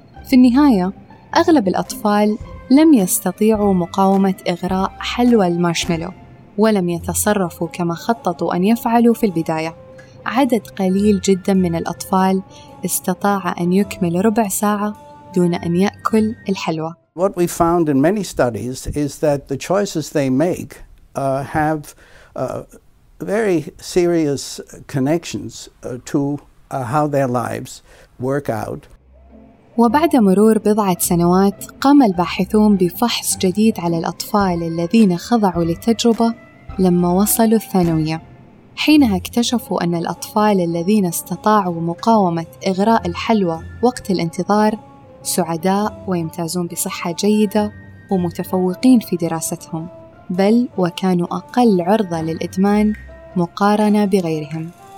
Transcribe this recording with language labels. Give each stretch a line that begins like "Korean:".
Arabic: في النهاية أغلب الأطفال لم يستطيعوا مقاومة إغراء حلوى المارشميلو، ولم يتصرفوا كما خططوا أن يفعلوا في البداية. عدد قليل جدا من الأطفال استطاع أن يكمل ربع ساعة دون أن يأكل الحلوى.
English: What we found in many studies is that the choices they make have very serious connections to how their lives work out.
Arabic: وبعد مرور 4 سنوات قام الباحثون بفحص جديد على الأطفال الذين خضعوا للتجربة لما وصلوا الثانوية. حينها اكتشفوا أن الأطفال الذين استطاعوا مقاومة إغراء الحلوى وقت الانتظار سعداء ويمتازون بصحة جيدة ومتفوقين في دراستهم، بل وكانوا أقل عرضة للإدمان مقارنة بغيرهم.